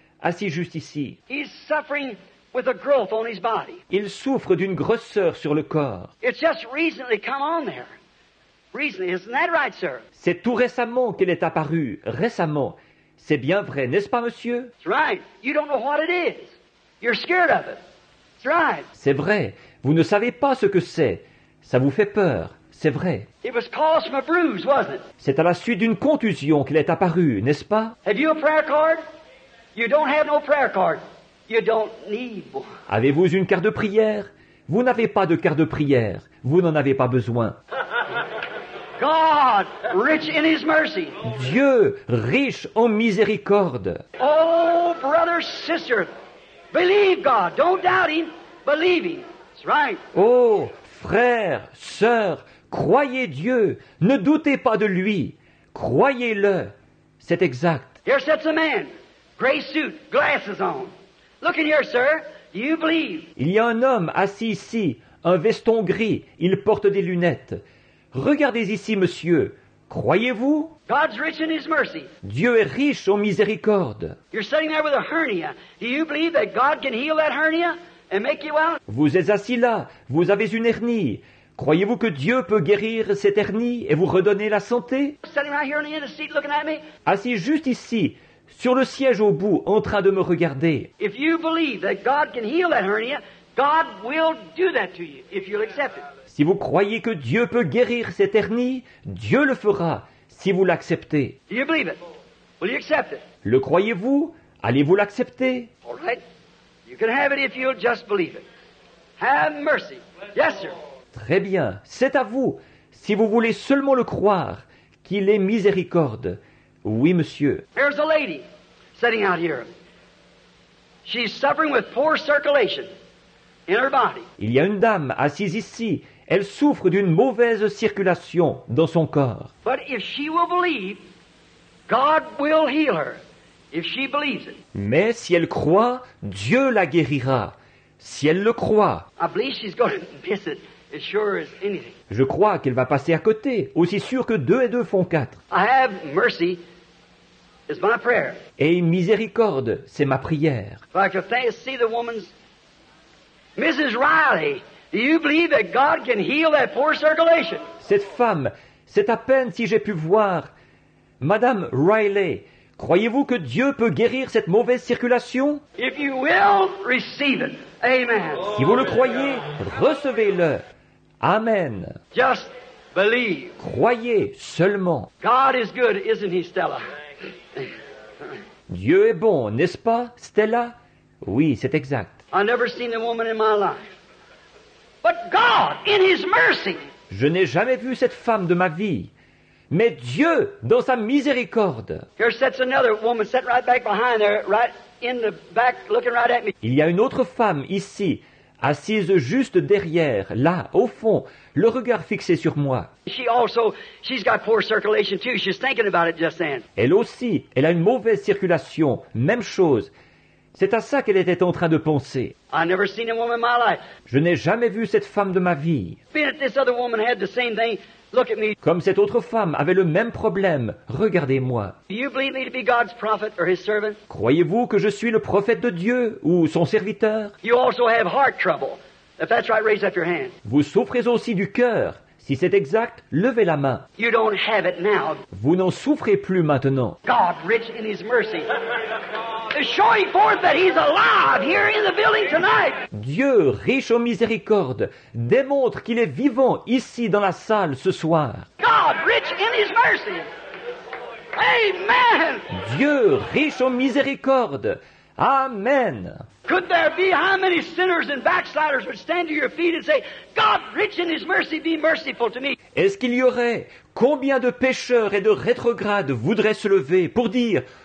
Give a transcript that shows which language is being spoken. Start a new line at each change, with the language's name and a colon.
French: assis juste ici.
English: He's suffering with a growth on his body.
French: Il souffre d'une grosseur sur le corps.
English: It's just recently come on there. Recently, isn't that right, sir?
French: C'est tout récemment qu'elle est apparue. Récemment. C'est bien vrai, n'est-ce pas, monsieur?
English: That's right. You don't know what it is. You're scared of it. That's right.
French: C'est vrai. Vous ne savez pas ce que c'est. Ça vous fait peur. C'est vrai.
English: It was caused from a bruise, wasn't it?
French: C'est à la suite d'une contusion qu'elle est apparue, n'est-ce pas?
English: Have you a prayer card? You don't have no prayer card. You don't need one.
French: Avez-vous une carte de prière? Vous n'avez pas de carte de prière. Vous n'en avez pas besoin.
English: God, rich in his mercy.
French: Dieu, riche en miséricorde.
English: Oh, brother, sister, believe God. Don't doubt him. Believe him. That's right.
French: Oh, frère, sœur, croyez Dieu. Ne doutez pas de lui. Croyez-le. C'est exact.
English: Here sits a man. Gray suit, glasses on. Look in here, sir. Do you believe?
French: Il y a un homme assis ici, un veston gris. Il porte des lunettes. Regardez ici, monsieur. Croyez-vous?
English: God's rich in his mercy.
French: Dieu est riche en miséricorde.
English: You're sitting there with a hernia. Do you believe that God can heal that hernia and make you well?
French: Vous êtes assis là. Vous avez une hernie. Croyez-vous que Dieu peut guérir cette hernie et vous redonner la santé?
English: Sitting right here on the end of the seat looking at me.
French: Assis juste ici. Sur le siège au bout, en train de me regarder.
English: If you believe that God can heal that hernia, God will do that to you if you'll accept it.
French: Si vous croyez que Dieu peut guérir cette hernie, Dieu le fera si vous l'acceptez.
English: Do you believe it? Will you accept it?
French: Le croyez-vous? Allez-vous l'accepter?
English: All right. You can have it if you'll just believe it. Have mercy. Yes, sir.
French: Très bien. C'est à vous. Si vous voulez seulement le croire, qu'il ait miséricorde. Oui, monsieur.
English: There's a lady sitting out here. She's suffering with poor circulation in her body.
French: Il y a une dame assise ici. Elle souffre d'une mauvaise circulation dans son corps.
English: But if she will believe, God will heal her if she believes it.
French: Mais si elle croit, Dieu la guérira. Si elle le croit.
English: I believe she's going to miss it. As sure as anything.
French: Je crois qu'elle va passer à côté, aussi sûr que deux et deux font quatre.
English: I have mercy. It's my prayer.
French: Et miséricorde, c'est ma prière.
English: If I could see the woman's... Mrs. Riley, do you believe that God can heal that poor circulation?
French: Cette femme, c'est à peine si j'ai pu voir. Madame Riley, croyez-vous que Dieu peut guérir cette mauvaise circulation?
English: If you will receive it. Amen.
French: Si vous le croyez, recevez-le.
English: Amen. Just believe.
French: Croyez seulement.
English: God is good, isn't he, Stella?
French: Dieu est bon, n'est-ce pas, Stella? Oui, c'est exact.
English: I've never seen a woman in my life. But God, in his mercy.
French: Je n'ai jamais vu cette femme de ma vie. Mais Dieu, dans sa miséricorde.
English: Here sits another woman sitting right back behind there, right? In the back, looking right at me.
French: Il y a une autre femme ici, assise juste derrière, là, au fond, le regard fixé sur moi.
English: She's got poor circulation too. She's thinking about it just then.
French: Elle aussi, elle a une mauvaise circulation. Même chose. C'est à ça qu'elle était en train de penser.
English: I never seen a woman in my life.
French: Je n'ai jamais vu cette femme de ma vie.
English: This other woman had the same thing. Look at me.
French: Comme cette autre femme avait le même problème, regardez-moi.
English: Do you believe me to be God's prophet or his servant?
French: Croyez-vous que je suis le prophète de Dieu ou son serviteur?
English: You also have heart trouble. If that's right, raise up your hand.
French: Vous souffrez aussi du cœur. Si c'est exact, levez la main.
English: You don't have it now.
French: Vous n'en souffrez plus maintenant.
English: God, rich in his mercy, is showing forth that he's alive here in the building tonight.
French: Dieu, riche en miséricorde, démontre qu'il est vivant ici dans la salle ce soir.
English: God, rich in his mercy. Amen.
French: Dieu, riche en miséricorde. Amen.
English: Could there be how many sinners and backsliders would stand to your feet and say, God, rich in his mercy, be merciful to me.
French: Est-ce qu'il y aurait combien de pécheurs et de rétrogrades voudraient se lever pour dire,